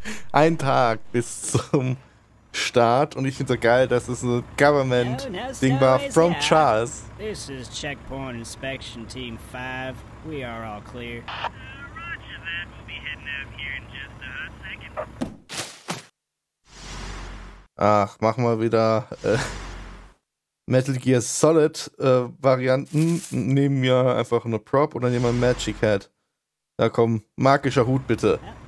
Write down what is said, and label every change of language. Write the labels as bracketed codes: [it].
[de] Ein Tag bis zum Start und ich finde es so geil, dass es ein Government-Ding war [en] from Charles. This is Checkpoint Inspection Team 5. We are all clear. Roger that. We'll be heading out here in just a second. [de] Ach, machen wir wieder Metal Gear Solid Varianten. Nehmen wir einfach eine Prop oder nehmen wir Magic Hat. Na komm, magischer Hut bitte.